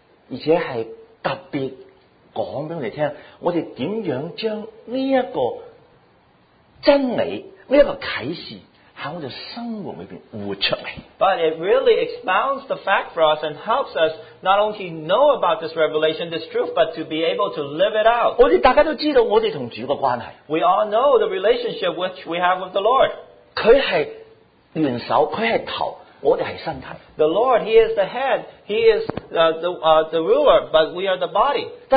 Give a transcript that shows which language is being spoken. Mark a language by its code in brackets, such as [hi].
[zh] 而且是特别讲给我们听，我们怎样将这个真理，这个启示在我们生活里面活出来。 [en] But it really expounds the fact for us and helps us not only know about this revelation, this truth, but to be able to live it out. [zh] 我们大家都知道我们跟主的关系。 [en] We all know the relationship which we have with the Lord. [zh] 祂是元首，祂是头。 [en] The Lord, He is the head, He is the ruler, but we are the body.